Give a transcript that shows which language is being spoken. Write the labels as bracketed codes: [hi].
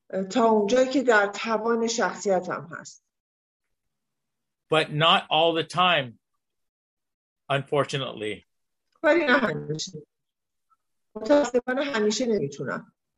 [fa] تا اونجایی که در توان شخصیتم هست. [en] But not all the time, unfortunately. [fa] ولی نه همیشه. متاسفانه همیشه نمیتونم.